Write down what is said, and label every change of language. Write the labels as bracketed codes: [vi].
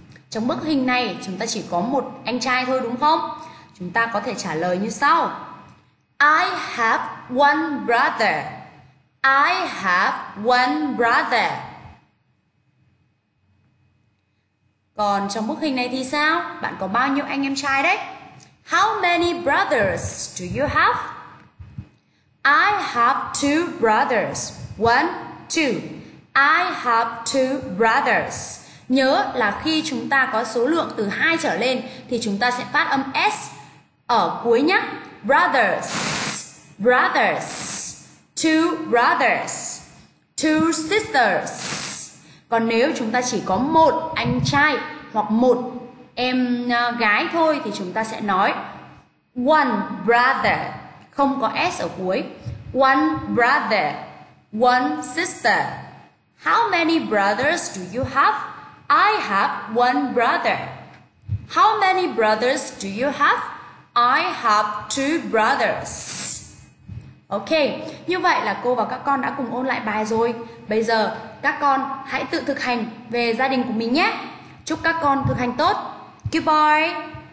[vi] Trong bức hình này, chúng ta chỉ có một anh trai thôi đúng không? Chúng ta có thể trả lời như sau. [en] I have one brother. I have one brother. [vi] Còn trong bức hình này thì sao? Bạn có bao nhiêu anh em trai đấy? [en] How many brothers do you have? I have two brothers. 1, 2. I have two brothers. [vi] Nhớ là khi chúng ta có số lượng từ 2 trở lên thì chúng ta sẽ phát âm S ở cuối nhé. [en] Brothers. Brothers. Two brothers. Two sisters. [vi] Còn nếu chúng ta chỉ có một anh trai hoặc một em gái thôi thì chúng ta sẽ nói one brother, không có S ở cuối. [en] One brother, one sister. How many brothers do you have? I have one brother. How many brothers do you have? I have two brothers. [vi] Ok, như vậy là cô và các con đã cùng ôn lại bài rồi. Bây giờ các con hãy tự thực hành về gia đình của mình nhé. Chúc các con thực hành tốt. Goodbye.